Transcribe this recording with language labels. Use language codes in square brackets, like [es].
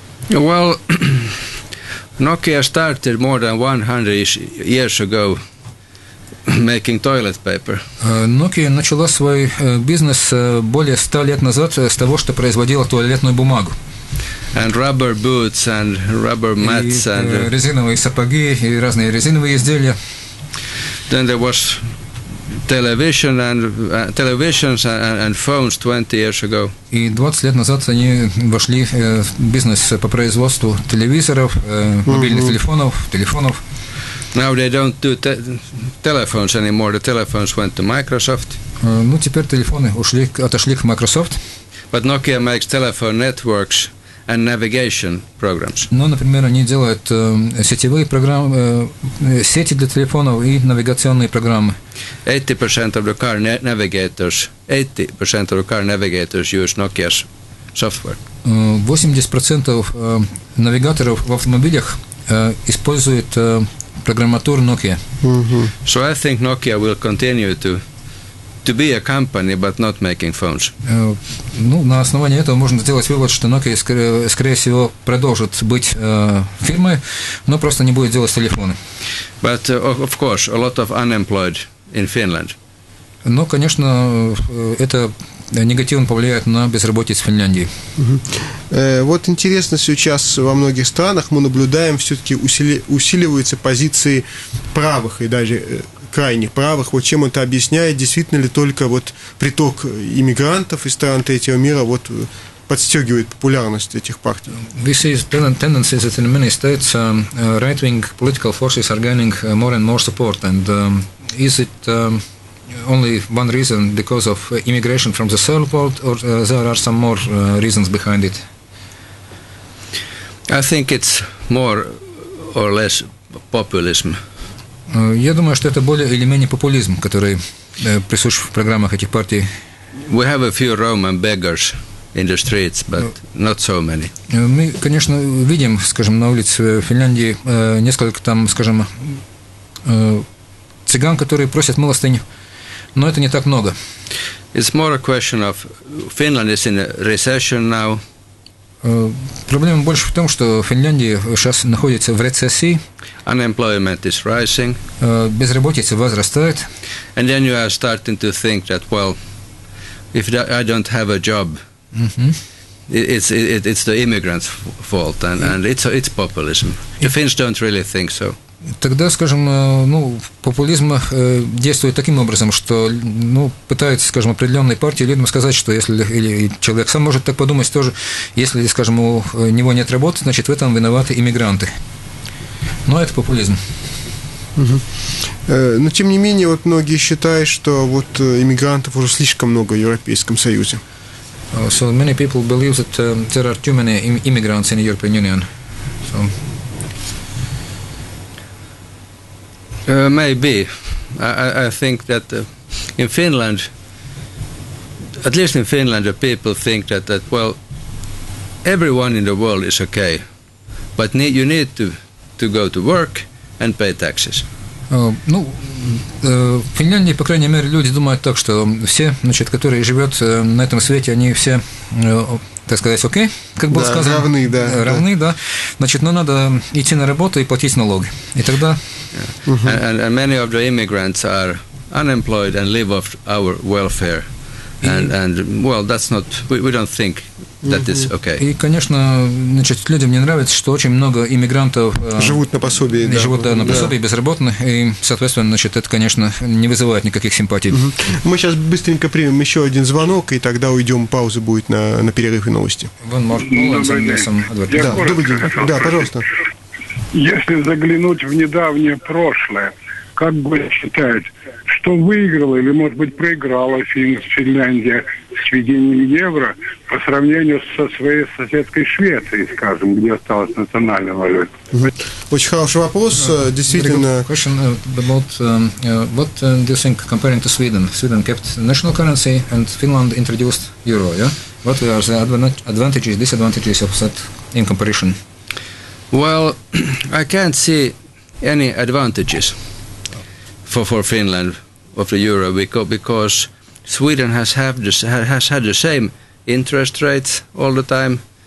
[en] Well, Nokia started more than 100 years ago making toilet paper. [ru] Nokia начала свой бизнес более 100 лет назад с того, что производила туалетную бумагу. [en] And rubber boots and rubber mats and [ru] резиновые сапоги и разные резиновые изделия. [en] Then there was televisions and phones 20 years ago. [ru] И 20 лет назад они вошли в бизнес по производству телевизоров, мобильных телефонов. [en] Now they don't do telephones anymore. The telephones went to Microsoft. [ru] Ну, теперь телефоны отошли к Microsoft. [en] But Nokia makes telephone networks and navigation programs. [ru] Ну, например, они делают сетевые программы, сети для телефонов и навигационные программы. [en] 80% of the car navigators, 80% of the car navigators use Nokia's software. [ru] 80% навигаторов в автомобилях используют программатуру Nokia. [en] So I think Nokia will continue to be a company, but not making phones. [ru] Ну, на основании этого можно сделать вывод, что Nokia, скорее всего, продолжит быть фирмой, но просто не будет делать телефоны. [en] But, of course, a lot of unemployed in Finland. [ru] Но, конечно, это негативно повлияет на безработицу в Финляндии. Вот интересно, сейчас во многих странах мы наблюдаем, все-таки усиливаются позиции правых и даже крайне правых. Вот чем это объясняет? Действительно ли только вот приток иммигрантов из стран третьего мира вот подстегивает популярность этих партий? [en] This is tendency that in many states right-wing political forces are gaining more and more support. And is it only one reason because of immigration from the third world, or there are some more reasons behind it? I think it's more or less populism. [ru] Я думаю, что это более или менее популизм, который присущ в программах этих партий. [en] We have a few Roman beggars in the streets, but not so many. [ru] Мы, конечно, видим, скажем, на улице Финляндии несколько там, скажем, цыган, которые просят милостыню, но это не так много. [en] It's more a question of Finland is in a recession now. [ru] Проблема больше в том, что Финляндия сейчас находится в рецессии. [en] Unemployment is rising. [ru] Безработица возрастает. [en] And then you are starting to think that, well, if I don't have a job, it's the immigrants' fault, and it's populism. The Finns don't really think so. [ru] Тогда, скажем, ну, популизм действует таким образом, что, ну, пытается, скажем, определенной партии людям сказать, что если или человек сам может так подумать тоже, если, скажем, у него нет работы, значит, в этом виноваты иммигранты. Но это популизм. Но, тем не менее, вот многие считают, что вот иммигрантов уже слишком много в Европейском Союзе. [en] So many people believe that there are too many immigrants in the European Union. So Maybe. I think that in Finland, at least in Finland, the people think that well, everyone in the world is okay, but you need to go to work and pay taxes. [ru] Ну, в Финляндии, по крайней мере, люди думают так, что все, значит, которые живут на этом свете, они все, так сказать, окей, okay, как было сказано. Равны, да. Равны, да. Значит, но надо идти на работу и платить налоги. И тогда... [en] And many of the immigrants are unemployed and live off our welfare. And well, that's not... We don't think that is okay. [ru] И, конечно, значит, людям не нравится, что очень много иммигрантов... Живут на пособии, да. Живут, да, на пособии, безработных. И, соответственно, значит, это, конечно, не вызывает никаких симпатий. Мы сейчас быстренько примем еще один звонок, и тогда уйдем, пауза будет на перерыв и новости. [en] One more call. [ru] Добрый день. Пожалуйста. Если заглянуть в недавнее прошлое, как бы считать, что выиграла или, может быть, проиграла Финляндия с введением евро по сравнению со своей соседкой Швецией, скажем, где осталась национальная валюта? Очень хороший вопрос. Действительно... [en] Question about what do you think comparing to Sweden? Sweden kept national currency and Finland introduced euro, yeah? What are the advantages, disadvantages of that in comparison? Well, I can't see any advantages for Finland of the euro because Sweden has had the same interest rates all the time.